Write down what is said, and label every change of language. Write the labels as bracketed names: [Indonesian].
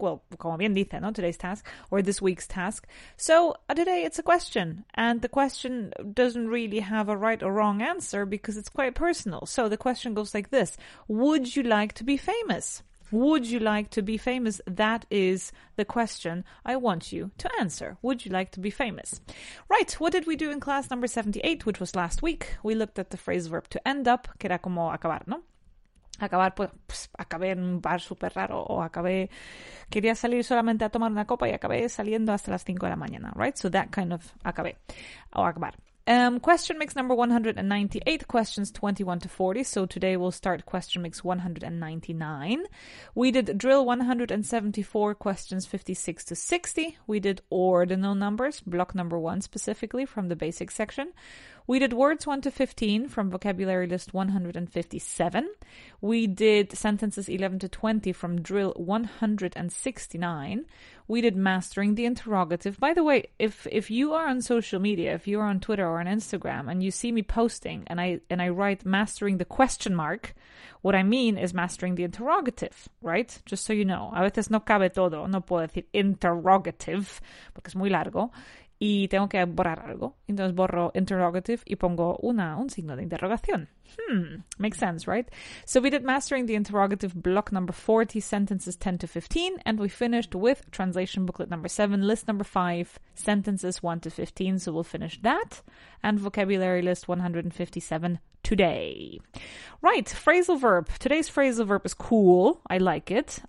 [English] Well, [Spanish] como bien dice, ¿no? [English] Today's task, or this week's task. So today it's a question, and the question doesn't really have a right or wrong answer because it's quite personal. So the question goes like this. Would you like to be famous? Would you like to be famous? That is the question I want you to answer. Would you like to be famous? Right, what did we do in class number 78, which was last week? We looked at the phrase verb to end up, [Spanish] que era como acabar, ¿no? Acabar, pues acabé en un bar súper raro, o acabé, quería salir solamente a tomar una copa y acabé saliendo hasta las 5 de la mañana, [English] right? So that kind of [Spanish] acabé, o acabar. [English] Question mix number 198, questions 21 to 40. So today we'll start question mix 199. We did drill 174, questions 56 to 60. We did ordinal numbers, block number 1 specifically from the basic section. We did words 1 to 15 from vocabulary list 157. We did sentences 11 to 20 from drill 169. We did mastering the interrogative. By the way, if you are on social media, if you are on Twitter or on Instagram and you see me posting and I write mastering the question mark, what I mean is mastering the interrogative, right? Just so you know. [Spanish] A veces no cabe todo. No puedo decir interrogative porque es muy largo. Y tengo que borrar algo. Entonces borro interrogative y pongo un signo de interrogación. [English] Makes sense, right? So we did mastering the interrogative block number 40, sentences 10 to 15. And we finished with translation booklet number 7, list number 5, sentences 1 to 15. So we'll finish that. And vocabulary list 157 today. Right, phrasal verb. Today's phrasal verb is cool. I like it.